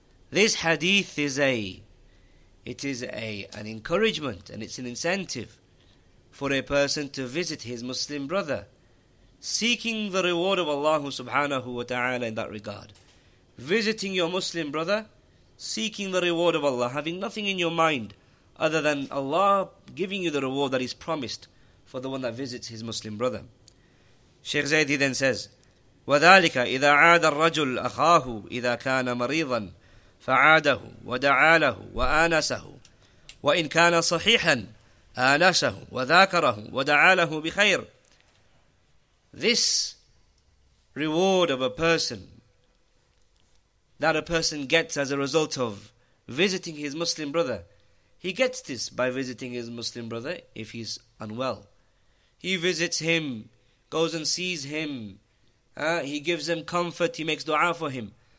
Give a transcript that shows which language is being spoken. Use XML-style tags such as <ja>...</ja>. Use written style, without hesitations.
<en>This hadith is an encouragement and it's an incentive for a person to visit his Muslim brother, seeking the reward of Allah subhanahu wa ta'ala in that regard. Visiting your Muslim brother, seeking the reward of Allah, having nothing in your mind other than Allah giving you the reward that is promised for the one that visits his Muslim brother. Sheikh Zaydi then says,</en> <ar>وذلك إذا عاد الرجل أخاه إذا كان مريضا فعاده ودعا له وآنسه وإن كان صحيحا آنسه وذاكره ودعا له بخير.</ar> <en>This reward of a person that a person gets as a result of visiting his Muslim brother, he gets this by visiting his Muslim brother if he's unwell. He visits him, goes and sees him, he gives them comfort, he makes dua for him.</en>